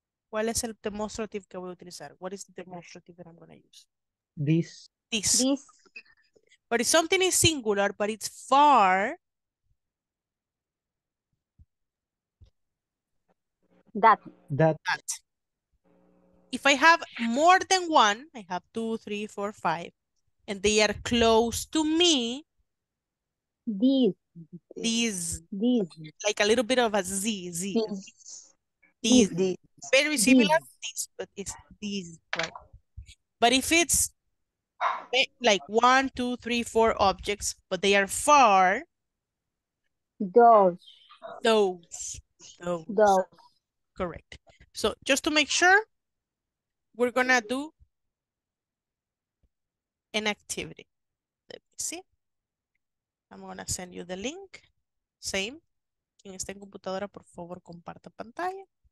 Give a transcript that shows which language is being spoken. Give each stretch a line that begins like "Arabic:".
Spanish: ¿Cuál es el demonstrative que voy a utilizar?
English: What is the demonstrative that I'm going to use? This. This. But if something is singular, but it's far. That. If I have more than one, I have 2, 3, 4, 5, and they are close to me. These. Like a little bit of a Z. These. Very similar to this, but it's these, right? But if it's like 1, 2, 3, 4 objects, but they are far. Those. Correct. So just to make sure, we're gonna do an activity. Let me see. I'm gonna send you the link. Same.
Spanish: Quien esté en computadora, por favor, comparta pantalla.